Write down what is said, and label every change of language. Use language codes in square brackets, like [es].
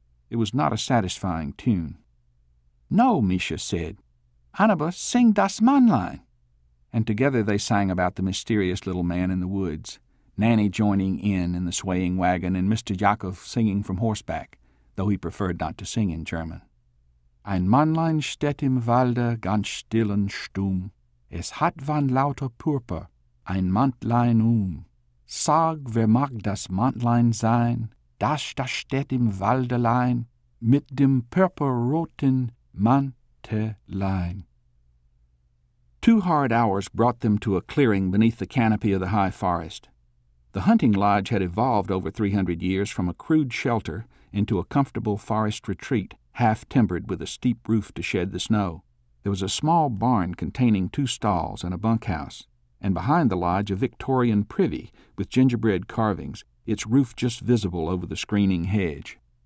[en] It was not a satisfying tune. No, Misha said. Hannibal, [de] sing das Mannlein. [en] And together they sang about the mysterious little man in the woods, Nanny joining in the swaying wagon, and Mr. Yakov singing from horseback, though he preferred not to sing in German. [de] Ein Mannlein steht im Walde ganz still und stumm. Es hat von lauter Purpur ein Mantlein Sag, wer mag das Mantlein sein, das steht im Waldelein mit dem purpurroten Mantelein. [en] 2 hard hours brought them to a clearing beneath the canopy of the high forest. The hunting lodge had evolved over 300 years from a crude shelter into a comfortable forest retreat, half-timbered with a steep roof to shed the snow. There was a small barn containing 2 stalls and a bunkhouse, and behind the lodge a Victorian privy with gingerbread carvings, its roof just visible over the screening hedge.